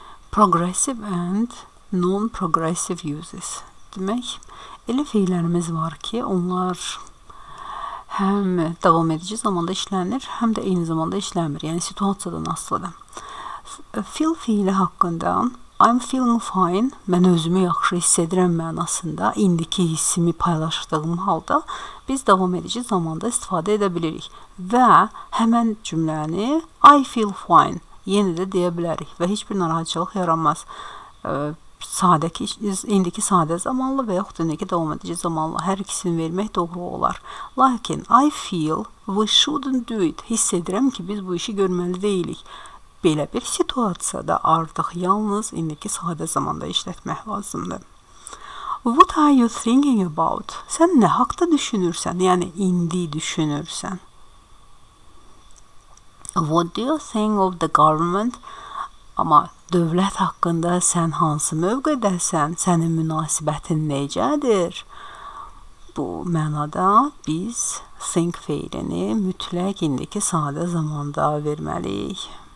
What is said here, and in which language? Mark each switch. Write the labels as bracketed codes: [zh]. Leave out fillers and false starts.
[en] Progressive and non-progressive uses. [az] Demək, elə feillərimiz var ki, onlar həm davam edici zamanda işlənir, həm də eyni zamanda işləmir. Yəni, situasiyadan asılıdır. Fill feili haqqında [en] I'm feeling fine. [az] Mən özümü yaxşı hissedirəm mənasında. İndiki hissimi paylaşdığım halda biz davam edici zamanda istifadə edə bilirik. Və həmən cümləni [en] I feel fine [az] yenə də deyə bilərik. Və heç bir narahatçılıq yaranmaz. İndiki sadə zamanlı və yaxud indiki davam edici zamanlı hər ikisini vermək doğru olar. [en] Lakin I feel we shouldn't do it. [az] Hiss edirəm ki, biz bu işi görməli deyilik. Belə bir situasiyada artıq yalnız indiki sadə zamanda işlətmək lazımdır. [en] What are you thinking about? [az] Sən nə haqda düşünürsən, yəni indi düşünürsən? [en] What do you think of the government? [az] Amma dövlət haqqında sən hansı mövqədəsən, sənin münasibətin necədir? Bu mənada biz think feilini mütləq indiki sadə zamanda verməliyik.